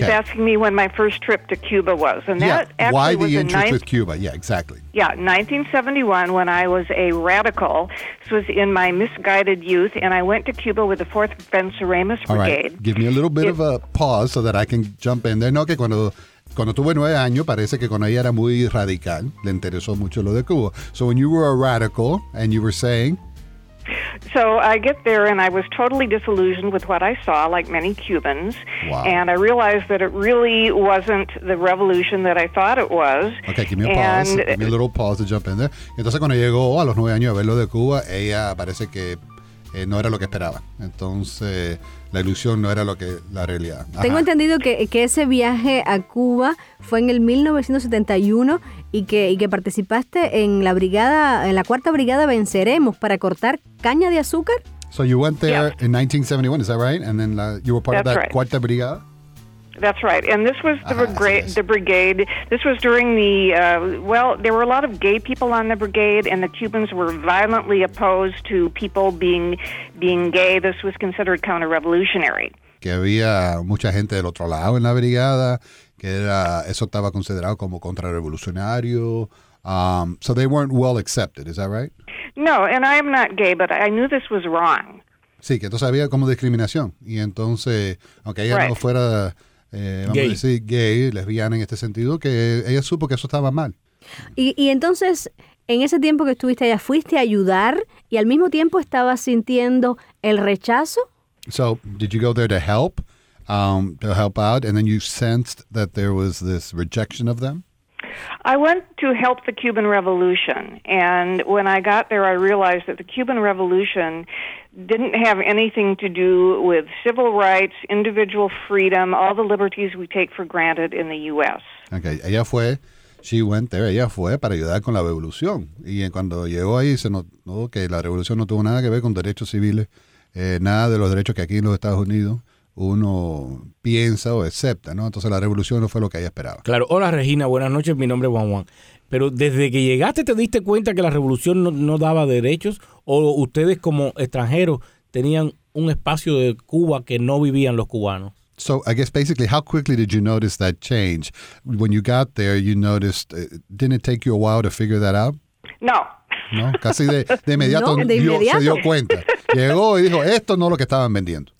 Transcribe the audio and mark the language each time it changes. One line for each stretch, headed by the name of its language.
English: She's asking me when my first trip to Cuba was. And yeah, that actually why was the interest with Cuba? Yeah, exactly. Yeah, 1971, when I was a radical. This was in my misguided youth, and I went to Cuba with the 4th Venceremos Brigade. All right, give me a little bit of a pause so that I can jump in there.
Spanish: No, que cuando... Cuando tuve 9 años, parece que con ella era muy radical. Le interesó mucho lo de Cuba.
English: So when you were a radical and you were saying... So I get there and I was totally disillusioned with what I saw, like many Cubans. Wow. And I realized that it really wasn't the revolution that I thought it was. Okay, give me a pause. Give me a little pause to jump in there.
Spanish: Entonces cuando llegó a los 9 años a ver lo de Cuba, ella parece que no era lo que esperaba. Entonces... La ilusión no era lo que la realidad. Ajá. Tengo entendido que ese viaje a Cuba fue en el 1971 y que participaste en la brigada, en la cuarta brigada Venceremos para cortar caña de azúcar.
English: So you went there in 1971, is that right? And then you were part of that cuarta brigada. That's right. And this was the brigade. This was during the, there were a lot of gay people on the brigade, and the Cubans were violently opposed to people being gay. This was considered counter-revolutionary.
Spanish: Que había mucha gente del otro lado en la brigada, que era, eso estaba considerado como contrarrevolucionario.
English: So they weren't well accepted, is that right? No, and I am not gay, but I knew this was wrong.
Spanish: Sí, que entonces había como discriminación. Y entonces, aunque ella no fuera... vamos a decir gay, lesbiana en este sentido, que ella supo que eso estaba mal. Y entonces, en ese tiempo que estuviste allá, ¿fuiste a ayudar y al mismo tiempo estabas sintiendo el rechazo?
English: So, did you go there to help out, and then you sensed that there was this rejection of them? I went to help the Cuban Revolution, and when I got there, I realized that the Cuban Revolution didn't have anything to do with civil rights, individual freedom, all the liberties we take for granted in the U.S.
Spanish: Okay, ella fue,
English: she went there,
Spanish: ella fue para ayudar con la revolución, y cuando llegó ahí se notó que la revolución no tuvo nada que ver con derechos civiles, nada de los derechos que aquí en los Estados Unidos uno piensa o acepta, ¿no? Entonces la revolución no fue lo que ella esperaba. Claro. Hola, Regina. Buenas noches. Mi nombre es Juan Juan. Pero desde que llegaste, ¿te diste cuenta que la revolución no daba derechos? ¿O ustedes como extranjeros tenían un espacio de Cuba que no vivían los cubanos?
English: So I guess basically, how quickly did you notice that change? When you got there, you noticed, didn't it take you a while to figure that out? No.
Spanish: ¿No? Casi de inmediato, no, de inmediato. Se dio cuenta. Llegó y dijo, esto no es lo que estaban vendiendo.